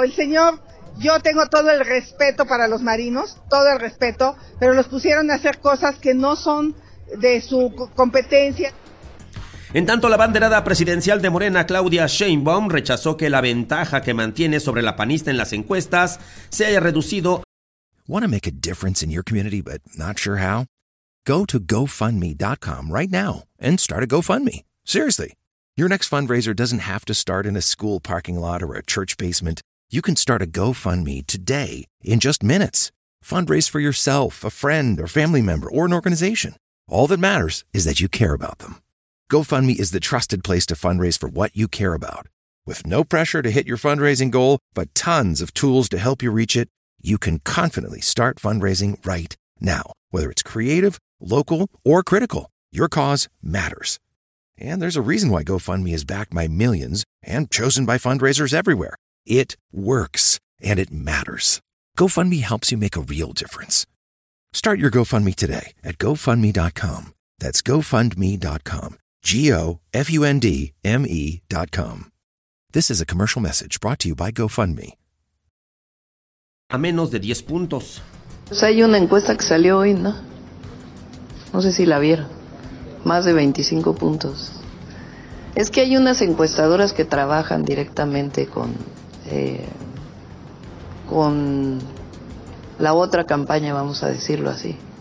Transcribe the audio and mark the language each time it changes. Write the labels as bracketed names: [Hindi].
[Spanish] El señor, yo tengo todo el respeto para los marinos, todo el respeto, pero los pusieron a hacer cosas que no son de su competencia. En tanto, la banderada presidencial de Morena, Claudia Sheinbaum, rechazó que la ventaja que mantiene sobre la panista en las encuestas se haya reducido. [English] Want to make a difference in your community but not sure how? Go to GoFundMe.com right now and start a GoFundMe. Seriously, your next fundraiser doesn't have to start in a school parking lot or a church basement. You can start a GoFundMe today in just minutes. Fundraise for yourself, a friend, or family member, or an organization. All that matters is that you care about them. GoFundMe is the trusted place to fundraise for what you care about. With no pressure to hit your fundraising goal, but tons of tools to help you reach it, you can confidently start fundraising right now. Whether it's creative, local, or critical, your cause matters. And there's a reason why GoFundMe is backed by millions and chosen by fundraisers everywhere. It works, and it matters. GoFundMe helps you make a real difference. Start your GoFundMe today at GoFundMe.com. That's GoFundMe.com. GoFundMe.com. This is a commercial message brought to you by GoFundMe. [Spanish] A menos de 10 puntos. Pues hay una encuesta que salió hoy, ¿no? No sé si la vieron. Más de 25 puntos. Es que hay unas encuestadoras que trabajan directamente con la otra campaña, vamos a decirlo así.